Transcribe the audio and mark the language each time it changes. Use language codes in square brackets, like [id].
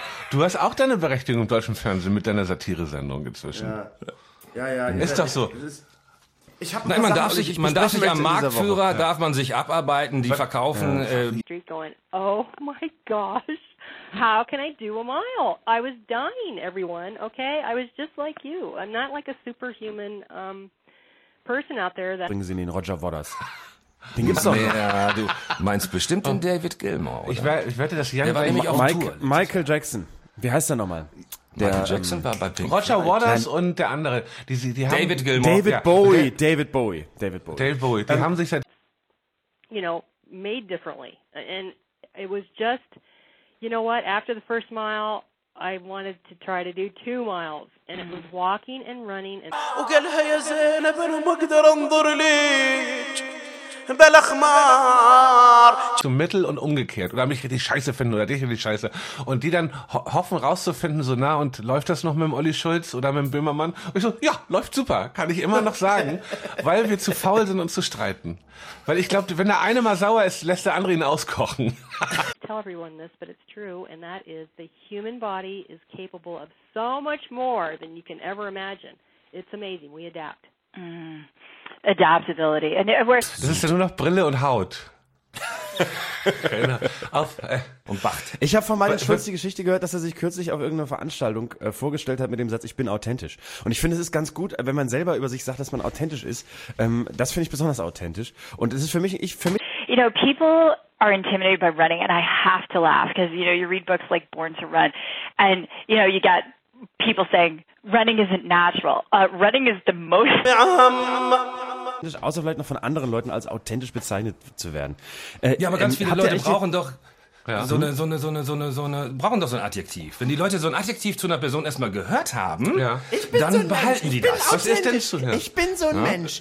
[de] Du hast auch deine Berechtigung im deutschen Fernsehen mit deiner Satire-Sendung inzwischen. Ja. Ja, ist doch so. Man darf sich am Marktführer abarbeiten, die verkaufen. [en] Oh my gosh, how can I do a mile? I was dying, everyone, okay? I was just like you. I'm not like a superhuman person out there. [de] Bringen Sie den Roger Waters. Den gibt's doch nicht. Du meinst bestimmt den David Gilmour. Ich wette, dass Jan war nämlich auf Tour. Michael Jackson. Wie heißt der nochmal? Michael Jackson war bei Pink. Roger Waters und der andere. Die haben David Gilmour. David Bowie. Die haben sich seit... [en] You know, made differently. And it was just, you know what, after the first mile, I wanted to try to do 2 miles. And it was walking and running. [ar] وقال هيا زينب انا ما اقدر انظر ليك بالاخمار [de] zum Mittel und umgekehrt. Oder mich richtig scheiße finden oder dich richtig scheiße. Und die dann hoffen rauszufinden, so, na, und läuft das noch mit dem Olli Schulz oder mit dem Böhmermann? Und ich so, ja, läuft super, kann ich immer noch sagen, weil wir zu faul sind, uns zu streiten. Weil ich glaube, wenn der eine mal sauer ist, lässt der andere ihn auskochen. [en] Tell everyone this, but it's true, and that is the human body is capable of so much more than you can ever imagine. It's amazing. We adapt. Adaptability. And [de] das ist ja nur noch Brille und Haut. Auf und Bart. Ich habe von meinem Schulz die Geschichte gehört, dass er sich kürzlich auf irgendeiner Veranstaltung vorgestellt hat mit dem Satz, ich bin authentisch. Und ich finde, es ist ganz gut, wenn man selber über sich sagt, dass man authentisch ist. Das finde ich besonders authentisch. Und es ist für mich, [en] You know, people are intimidated by running, and I have to laugh, because, you know, you read books like Born to Run, and, you know, you get people saying, running isn't natural. Running is the most... [de] Außer vielleicht noch von anderen Leuten als authentisch bezeichnet zu werden. Ja, aber ganz viele Leute brauchen doch brauchen doch so ein Adjektiv. Wenn die Leute so ein Adjektiv zu einer Person erstmal gehört haben, ja, dann so behalten Mensch, die das. Was ist denn so? Ja. Ich bin so ein ja? Mensch.